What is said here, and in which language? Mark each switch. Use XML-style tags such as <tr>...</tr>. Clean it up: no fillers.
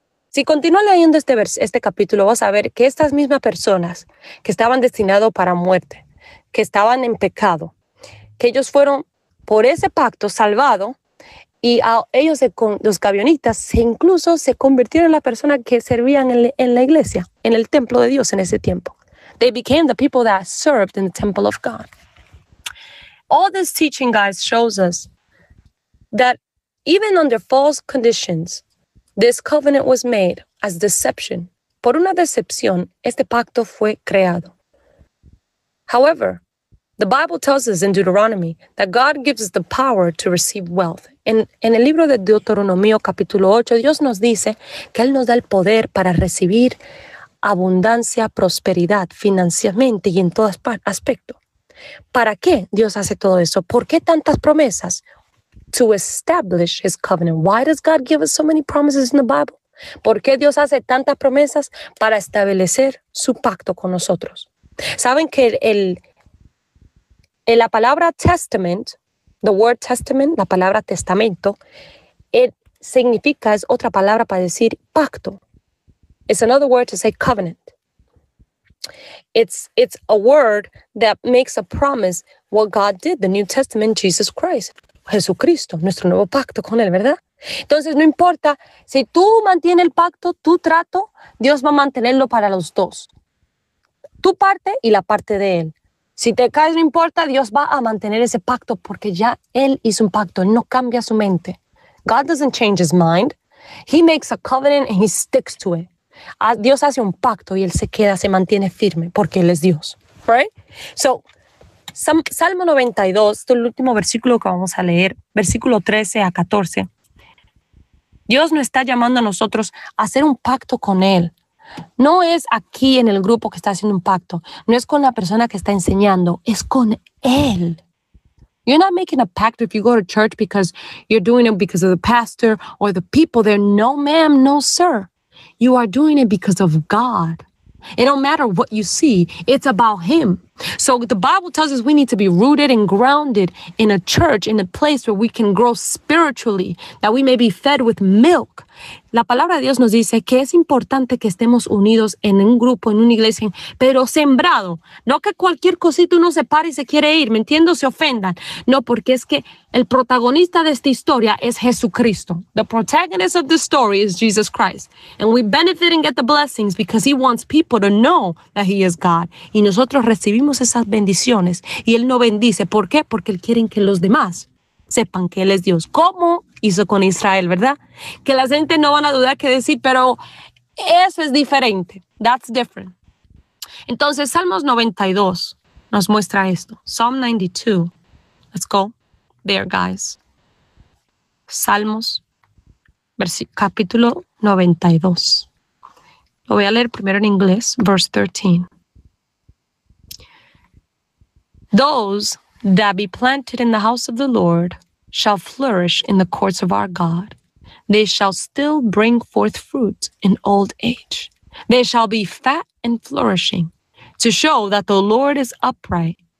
<es>Si continúas leyendo este capítulo, vas a ver que estas mismas personas que estaban destinadas para muerte, que estaban en pecado, que ellos fueron por ese pacto salvado, y a ellos, los gabionitas, incluso se convirtieron en las personas que servían en la iglesia, en el templo de Dios en ese tiempo.</es> <en>They became the people that served in the temple of God. All this teaching, guys, shows us that even under false conditions, this covenant was made as deception.</en> <es>Por una decepción, este pacto fue creado.</es> <en>However, the Bible tells us in Deuteronomy that God gives us the power to receive wealth.</en> <es>En el libro de Deuteronomio, capítulo 8, Dios nos dice que Él nos da el poder para recibir abundancia, prosperidad, financieramente y en todo aspecto. ¿Para qué Dios hace todo eso? ¿Por qué tantas promesas?</es> <en>To establish his covenant. Why does God give us so many promises in the Bible?</en> <es>¿Por qué Dios hace tantas promesas? Para establecer su pacto con nosotros. ¿Saben que la palabra testament,</es> <en>the word testament,</en> <es>la palabra testamento, it significa, es otra palabra para decir pacto.</es> <en>It's another word to say covenant. It's a word that makes a promise what God did, the New Testament, Jesus Christ.</en> <es>Jesucristo, nuestro nuevo pacto con Él, ¿verdad? Entonces, no importa, si tú mantienes el pacto, tu trato, Dios va a mantenerlo para los dos. Tu parte y la parte de Él. Si te caes, no importa, Dios va a mantener ese pacto porque ya Él hizo un pacto, no cambia su mente.</es> <en>God doesn't change his mind. He makes a covenant and he sticks to it.</en> <es>Dios hace un pacto y Él se queda, se mantiene firme porque Él es Dios.</es> <en>Right?</en> <es>So, Salmo 92, el último versículo que vamos a leer, versículo 13 a 14. Dios nos está llamando a nosotros a hacer un pacto con Él. No es aquí en el grupo que está haciendo un pacto. No es con la persona que está enseñando. Es con Él.</es> <en>You're not making a pact if you go to church because you're doing it because of the pastor or the people there. No, ma'am, no, sir. You are doing it because of God. It don't matter what you see. It's about Him. So the Bible tells us we need to be rooted and grounded in a church, in a place where we can grow spiritually, that we may be fed with milk.</en> <es>La palabra de Dios nos dice que es importante que estemos unidos en un grupo, en una iglesia, pero sembrado. No que cualquier cosita uno se pare y se quiere ir, ¿me entiendo? Se ofendan. No, porque es que el protagonista de esta historia es Jesucristo.</es> <en>The protagonist of the story is Jesus Christ. And we benefit and get the blessings because he wants people to know that he is God.</en> <es>Y nosotros recibimos esas bendiciones y él nos bendice. ¿Por qué? Porque él quiere que los demás sepan que Él es Dios, como hizo con Israel, ¿verdad? Que la gente no van a dudar que decir, pero Eso es diferente.</es> <en>That's different.</en> <es>Entonces, Salmos 92 nos muestra esto.</es> <en>Psalm 92. Let's go there, guys.</en> <es>Salmos, capítulo 92. Lo voy a leer primero en inglés,</es> <en>verse 13. Those that be planted in the house of the Lord shall flourish in the courts of our God. They shall still bring forth fruit in old age. They shall be fat and flourishing to show that the Lord is upright.</en>